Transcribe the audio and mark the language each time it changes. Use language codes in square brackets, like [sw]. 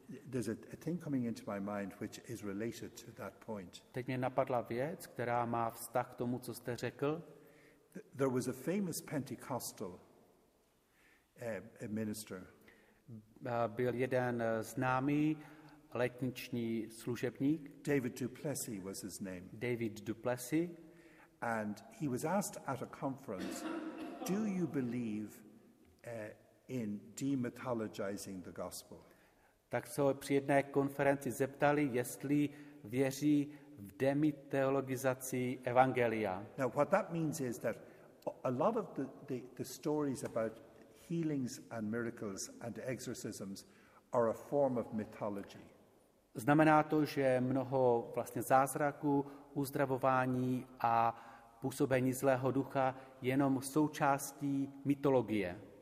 [en] There's a thing coming into my mind which is related to that point. [cs] Teď mě napadla věc, která má vztah k tomu, co jste řekl. [en] There was a famous Pentecostal minister. [cs] Byl jeden známý letniční služebník. [en] David Duplessy was his name. [cs] David Duplessy. [en] And he was asked at a conference, do you believe in demythologizing the gospel? [cs] Tak se ho při jedné konferenci zeptali, jestli věří v demyteologizaci evangelia. [en] Now what that means is that a lot of the stories about healings and miracles and exorcisms are a form of mythology. [cs] Znamená to, že mnoho vlastně zázraků, uzdravování a působení zlého ducha jenom součástí mytologie.